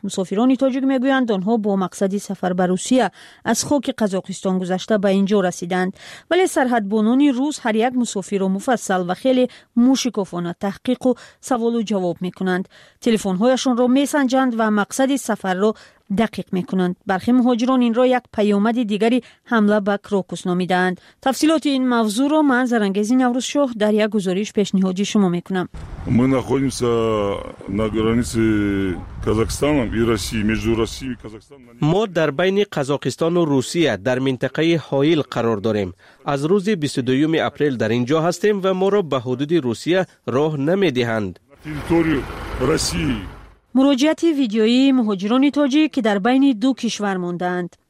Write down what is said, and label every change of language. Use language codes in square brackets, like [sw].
[fa] مسافران تاجیک میگویند آنها با مقصد سفر به روسیه از خاک قزاقستان گذشته به اینجا رسیدند، ولی سرحد بانان روس هر یک مسافر را مفصل و خیلی موشکافانه تحقیق و سوال و جواب میکنند، تلفن هایشون را میسنجند و مقصد سفر را دقیق میکنند. برخی مهاجران این را یک پیامد دیگری حمله به کروکوس نامیدند. تفصیلات این موضوع را من زرنگزی نوروز شاه در یک گزارش پیشنهادی شما میکنم. [ru] ما находимся на границе Казахстана и России, между Россией и Казахстаном. [fa] ما در بین قزاقستان و روسیه در منطقه حائل قرار داریم. از روز 22 اپریل در اینجا هستیم و ما را به حدود روسیه راه نمیدهند. [ru] территорию России. [fa] مراجعت ویدیویی مهاجران تاجیک که در بین دو کشور موندند.